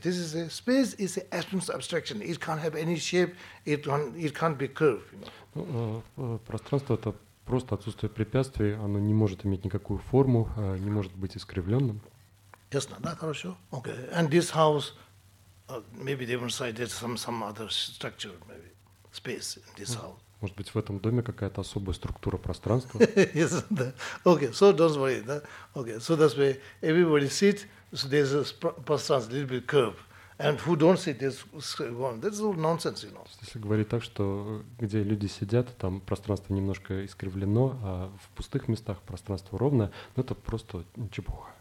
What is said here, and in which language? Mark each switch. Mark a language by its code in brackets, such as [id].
[en] This is a space is an absence of abstraction. It can't have any shape. It can't be curved. You know? [ru] Ну, пространство – это просто отсутствие препятствий. Оно не может иметь никакую форму, не может быть искривленным. Ясно, да? Хорошо. Okay. [en] And this house, maybe they were saying there's some other structure, maybe space in this house. [ru] Может быть, в этом доме какая-то особая структура пространства? [en] Yes, да. Okay, so don't worry, да? Okay, so that's why everybody sit, so there's a пространство, little bit curve. And who don't sit, there's one. That's all nonsense, you know. [ru] Если говорить так, что где люди сидят, там пространство немножко искривлено, а в пустых местах пространство ровное, ну это просто чепуха.